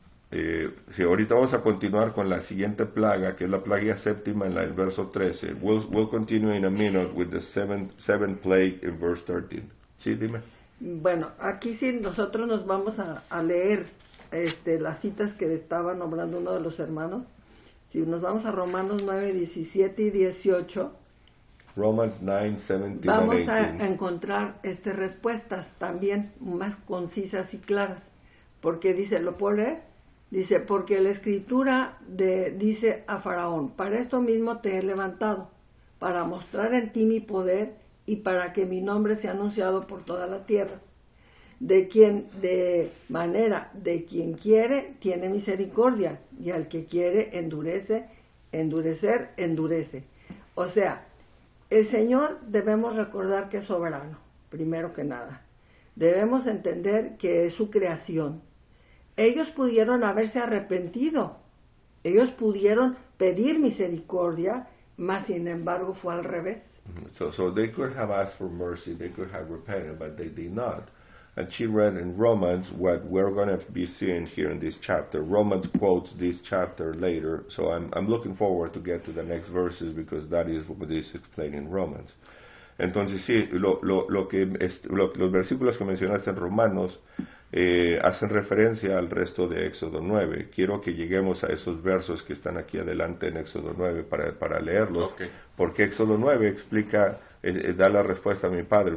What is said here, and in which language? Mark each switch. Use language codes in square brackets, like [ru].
[es] Sí, ahorita vamos a continuar con la siguiente plaga, que es la plaga séptima en el verso 13. [en] We'll continue in a minute with the seventh plague in verse 13. [es] Sí, dime. Bueno, aquí sí nosotros nos vamos a leer las citas que estaba nombrando uno de los hermanos. Si nos vamos a Romanos 9, 17 y 18, [en] Romans 9, 17, [es] vamos 18. A encontrar respuestas también más concisas y claras. Porque dice, ¿lo puedo leer? Dice, porque la escritura dice a Faraón, para esto mismo te he levantado, para mostrar en ti mi poder y para que mi nombre sea anunciado por toda la tierra. De quien quiere, tiene misericordia, y al que quiere, endurece. O sea, el Señor debemos recordar que es soberano, primero que nada. Debemos entender que es su creación. Ellos pudieron haberse arrepentido, ellos pudieron pedir misericordia, mas sin embargo fue al revés. [en] So they could have asked for mercy, they could have repented, but they did not. And she read in Romans what we're going to be seeing here in this chapter. Romans quotes this chapter later, so I'm looking forward to get to the next verses because that is what is explained in Romans. [es] Entonces sí, los versículos que mencionaste en Romanos hacen referencia al resto de Éxodo 9. Quiero que lleguemos a esos versos que están aquí adelante en Éxodo 9 para leerlos, okay. Porque Éxodo 9 explica, da la respuesta a mi padre.